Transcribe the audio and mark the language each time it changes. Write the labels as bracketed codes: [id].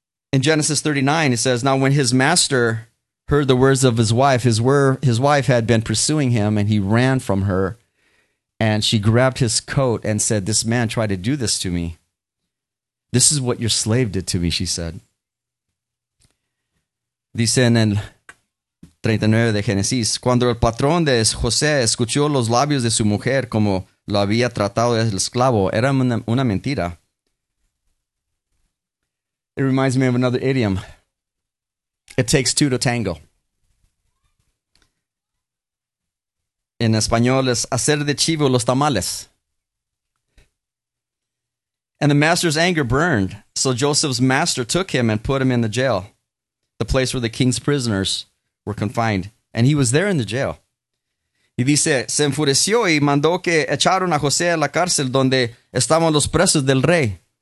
[en] in Genesis 39, it says, now when his master heard the words of his wife, his wife had been pursuing him, and he ran from her, and she grabbed his coat and said, this man tried to do this to me. This is what your slave did to me, she said. [es] Dice en el 39 de Génesis, cuando el patrón de José escuchó los labios de su mujer como lo había tratado el esclavo, era una mentira. [en] It reminds me of another idiom. It takes two to tango. [es] En español es hacer de chivo los tamales. [en] And the master's anger burned, so Joseph's master took him and put him in the jail, the place where the king's prisoners were confined. And he was there in the jail. [es] Y dice, se enfureció y mandó que echaron a José a la cárcel donde estaban los presos del rey.